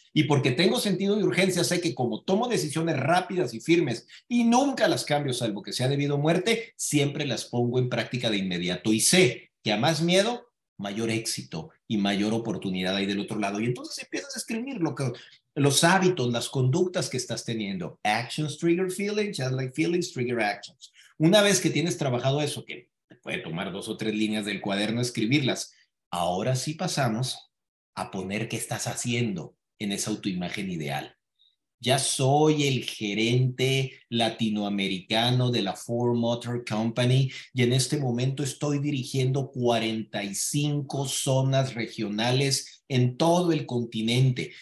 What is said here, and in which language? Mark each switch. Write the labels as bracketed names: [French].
[Spanish] Y porque tengo sentido de urgencia, sé que como tomo decisiones rápidas y firmes y nunca las cambio, salvo que sea debido a muerte, siempre las pongo en práctica de inmediato. Y sé que a más miedo, mayor éxito y mayor oportunidad hay del otro lado. Y entonces empiezas a escribir los hábitos, las conductas que estás teniendo. [English] Actions trigger feelings, just like feelings trigger actions. [Spanish] Una vez que tienes trabajado eso, que puede tomar dos o tres líneas del cuaderno, escribirlas. Ahora sí pasamos a poner qué estás haciendo en esa autoimagen ideal. Ya soy el gerente latinoamericano de la Ford Motor Company y en este momento estoy dirigiendo 45 zonas regionales en todo el continente.